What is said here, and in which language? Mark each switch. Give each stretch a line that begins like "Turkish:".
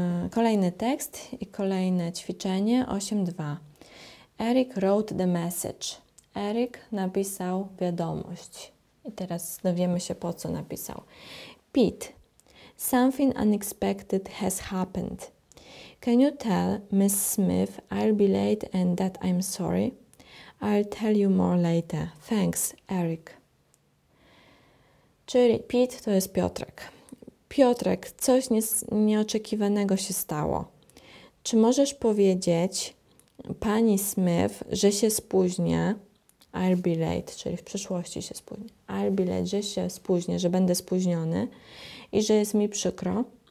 Polish: Kolejny tekst i kolejne ćwiczenie. 8.2.
English: Eric wrote the message.
Polish: Eric napisał wiadomość. I teraz dowiemy się, po co napisał.
English: Pete, something unexpected has happened. Can you tell Miss Smith I'll be late and that I'm sorry? I'll tell you more later. Thanks, Eric.
Polish: Czyli Pete to jest Piotrek. Piotrek, coś nieoczekiwanego się stało. Czy możesz powiedzieć pani Smith, że się spóźnię?
English: I'll be late,
Polish: czyli w przyszłości się spóźnię. I'll be late, że się spóźnię, że będę spóźniony i że jest mi przykro.